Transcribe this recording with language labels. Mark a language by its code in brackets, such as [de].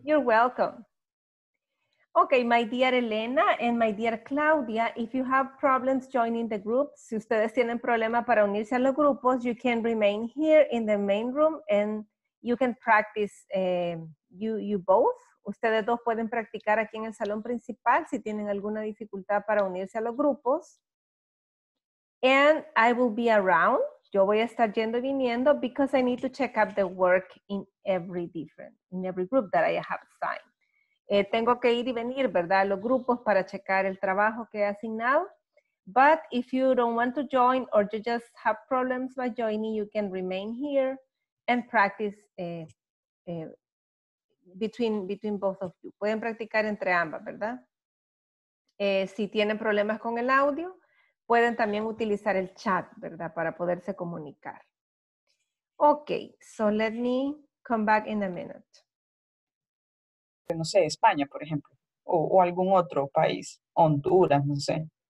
[en] You're welcome. Okay, my dear Elena and my dear Claudia, if you have problems joining the group, [es] si ustedes tienen problema para unirse a los grupos, [en] you can remain here in the main room and you can practice you both. [es] Ustedes dos pueden practicar aquí en el salón principal si tienen alguna dificultad para unirse a los grupos. [en] And I will be around. [es] Yo voy a estar yendo y viniendo [en] because I need to check up the work in every group that I have assigned. [es] Tengo que ir y venir, ¿verdad? Los grupos para checar el trabajo que he asignado. [en] But if you don't want to join or you just have problems by joining, you can remain here and practice between both of you. [es] Pueden practicar entre ambas, ¿verdad? Si tienen problemas con el audio, pueden también utilizar el chat, ¿verdad? Para poderse comunicar. [en] Okay, so let me come back in a minute. [es] No sé, España, por ejemplo, o algún otro país, Honduras, no sé.